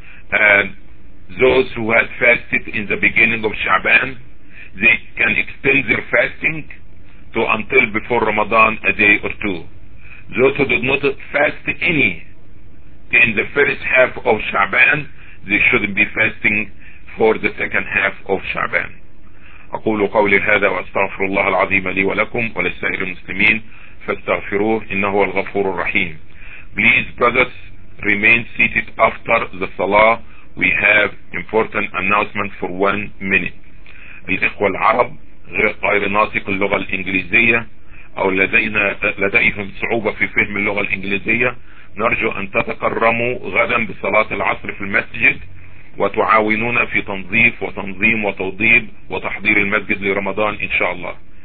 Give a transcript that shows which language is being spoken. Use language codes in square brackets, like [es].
[en] And those who had fasted in the beginning of Sha'ban, they can extend their fasting to until before Ramadan a day or two. Those who did not fast any in the first half of Sha'ban, they shouldn't be fasting for the second half of Sha'ban. [ar] أقول قولي هذا وأستغفر الله العظيم لي ولكم ولسائر المسلمين فاستغفروه إنه الغفور الرحيم. [en] Please brothers, remain seated after the Salah. We have important announcement for 1 minute. [ar] الإخوة العرب غير ناطق اللغة الإنجليزية أو لديهم صعوبة في فهم اللغة الإنجليزية, نرجو أن تتكرموا غدا بصلاة العصر في المسجد وتعاونونا في تنظيف وتنظيم وتوضيب وتحضير المسجد لرمضان إن شاء الله.